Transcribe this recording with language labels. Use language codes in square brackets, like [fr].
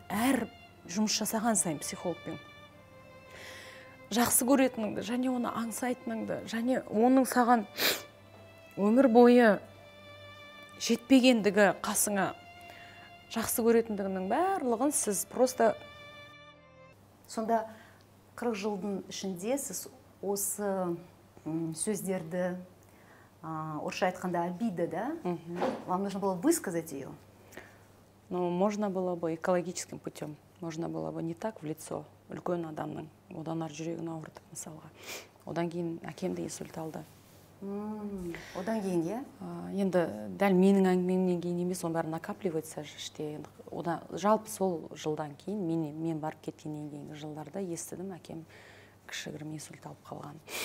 [kk] Әр жұмыс жасаған сайын психологпен. Жақсы көретініңді, және оны аңсайтыныңды, және оның саған өмір бойы жетпегендігі қасыңа жақсы көретіндігінің бәрлығын сіз просто... Сонда 40 жылдың ішінде сіз осы сөздерді, орысша айтқанда обиды, да? [ru] Вам нужно было высказать ее? Ну, можно было бы экологическим путем. Можно было бы не так в лицо [kk] үлкен адамның. Одан ар жүрегін ауыртып, мысалға. Одан кейін әкемді инсульт алды. Одан кейін, иә? Енді дәл менің әңгімемнен кейін емес, оның бәрі накапливается іште. Одан жалпы сол жылдан кейін, мен барып кеткеннен кейінгі жылдарда естідім, әкем кішігірім инсульт алып қалған.